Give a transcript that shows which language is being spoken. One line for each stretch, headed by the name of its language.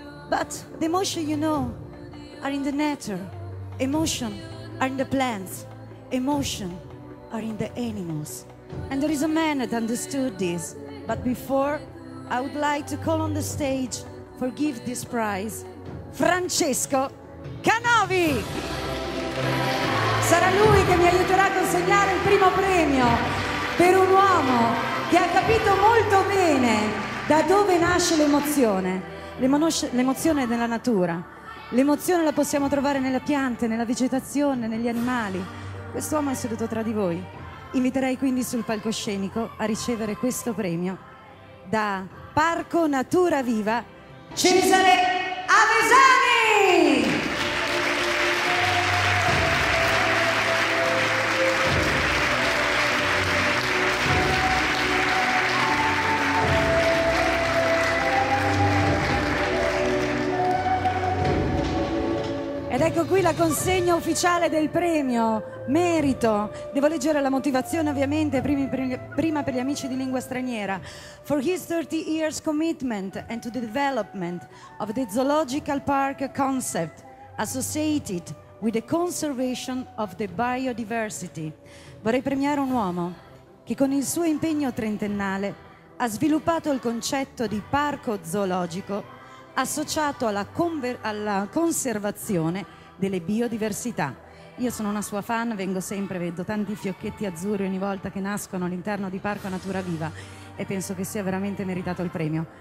English: But the emotion, you know, are in the nature. Emotion are in the plants. Emotion are in the animals. And there is a man that understood this. But before, I would like to call on the stage for give this prize, Francesco Canovi.
Italian: Sarà lui che mi aiuterà a consegnare il primo premio per un uomo che ha capito molto bene da dove nasce l'emozione. L'emozione è nella natura. L'emozione la possiamo trovare nelle piante, nella vegetazione, negli animali. Quest'uomo è seduto tra di voi. Inviterei quindi sul palcoscenico a ricevere questo premio da Parco Natura Viva, Cesare Avesani! Ed ecco qui la consegna ufficiale del premio, merito. Devo leggere la motivazione ovviamente, prima per gli amici di lingua straniera.
English: For his 30 years commitment and to the development of the zoological park concept associated with the conservation of the biodiversity.
Italian: Vorrei premiare un uomo che con il suo impegno trentennale ha sviluppato il concetto di parco zoologico associato alla conservazione delle biodiversità. Io sono una sua fan, vengo sempre, vedo tanti fiocchetti azzurri ogni volta che nascono all'interno di Parco Natura Viva e penso che sia veramente meritato il premio.